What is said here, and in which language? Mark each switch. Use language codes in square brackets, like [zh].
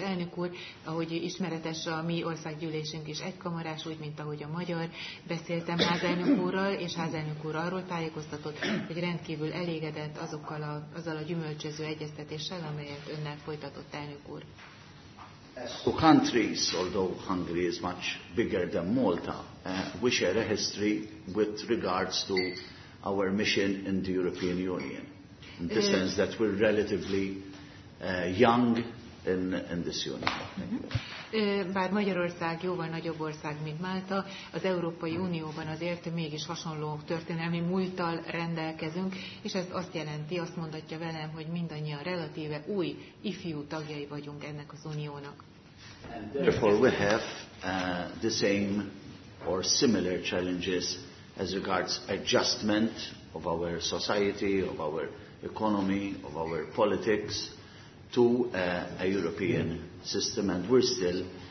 [hu] Elnök úr, ahogy ismeretes a mi országgyűlésünk is egykamarás, úgy, mint ahogy a magyar, beszéltem házelnök úrral, és házelnök úr arról tájékoztatott, hogy rendkívül elégedett azzal a gyümölcsöző egyeztetéssel, amelyet önnel folytatott, elnök úr. [en] Two countries, although Hungary is much bigger than Malta, we share a history with regards to our mission in the European Union. In the sense that we're relatively young in this union. [hu] Bár Magyarország jóval nagyobb ország, mint Málta, az Európai Unióban azért mégis hasonló történelmi múlttal rendelkezünk, és ez azt jelenti, azt mondatja velem, hogy mindannyian relatíve új, ifjú tagjai vagyunk ennek az uniónak. [en] And therefore we have the same or similar challenges as regards adjustment of our society, of our economy, of our politics to a European system, and we're still,